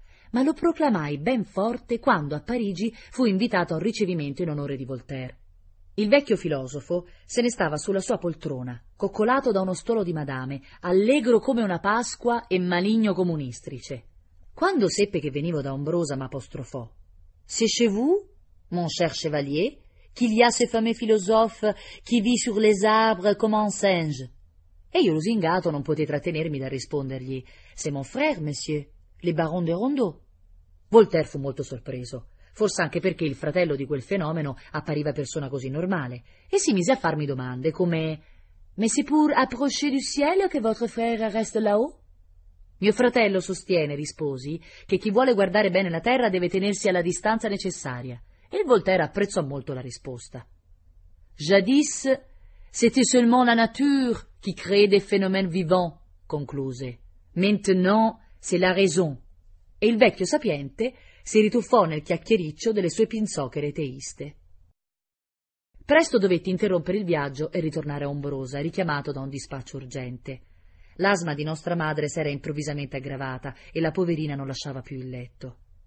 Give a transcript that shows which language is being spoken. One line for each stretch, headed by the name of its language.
Italian: Ma lo proclamai ben forte quando a Parigi fu invitato a un ricevimento in onore di Voltaire. Il vecchio filosofo se ne stava sulla sua poltrona, coccolato da uno stolo di madame, allegro come una Pasqua e maligno come un'istrice. Quando seppe che venivo da Ombrosa, m'apostrofò.
French: «C'est chez vous, mon cher chevalier, qu'il y a ce fameux philosophe qui vit sur les arbres comme un singe?»
Italian: E io, lusingato, non potei trattenermi da rispondergli
French: «C'est mon frère, monsieur, le baron de Rondeau».
Italian: Voltaire fu molto sorpreso, forse anche perché il fratello di quel fenomeno appariva persona così normale, e si mise a farmi domande come
French: «Mais c'est pour approcher du ciel que votre frère reste là-haut?»
Italian: «Mio fratello sostiene», risposi, «che chi vuole guardare bene la terra deve tenersi alla distanza necessaria», e Voltaire apprezzò molto la risposta.
French: «Jadis, c'était seulement la nature qui crée des phénomènes vivants», concluse. «Maintenant, c'est la raison».
Italian: E il vecchio sapiente si rituffò nel chiacchiericcio delle sue pinzocchere teiste. Presto dovetti interrompere il viaggio e ritornare a Ombrosa, richiamato da un dispaccio urgente. L'asma di nostra madre s'era improvvisamente aggravata e la poverina non lasciava più il letto.